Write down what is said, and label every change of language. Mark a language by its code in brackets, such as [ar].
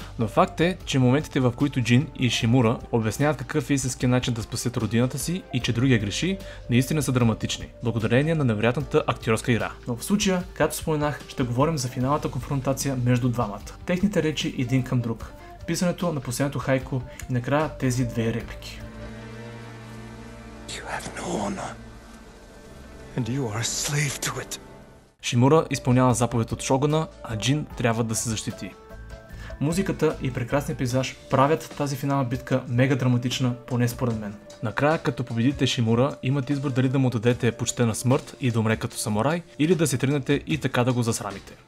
[bg] Но факт е, че моментите, в които Джин и Шимура обясняват какъв е истинският начин да спасят родината си и че другия греши, наистина са драматични, благодарение на невероятната актьорска игра. Но в случая, както споменах, ще говорим за финалната конфронтация между двамата. Техните речи един към друг, писането на последното хайко и накрая тези две реплики. [en] You have no honor, and you are a slave to it. [bg] Шимура изпълнява заповед от шогуна, а Джин трябва да се защити. Музиката и прекрасният пейзаж правят тази финална битка мега драматична, поне според мен. Накрая, като победите Шимура, имате избор дали да му дадете почтена смърт и да умре като самурай, или да се тринете и така да го засрамите.